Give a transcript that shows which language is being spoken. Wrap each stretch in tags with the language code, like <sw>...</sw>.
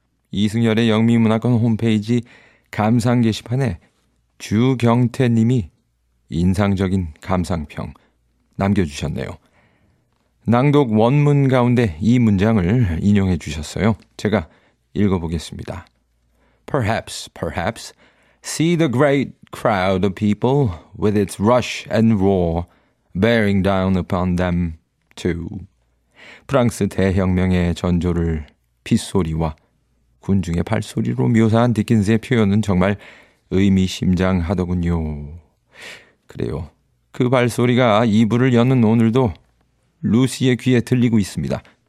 <ko>이승열의 영미문학관 홈페이지 감상 게시판에 주경태님이 인상적인 감상평 남겨주셨네요. 낭독 원문 가운데 이 문장을 인용해 주셨어요. 제가 읽어보겠습니다.</ko> <en>Perhaps, perhaps, see the great crowd of people with its rush and roar bearing down upon them too.</en> <ko>프랑스 대혁명의 전조를 빗소리와 군중의 발소리로 묘사한 디킨스의 표현은 정말 의미심장하더군요. 그래요. 그 발소리가 이불을 여는 오늘도 루시의 귀에 들리고 있습니다.</ko>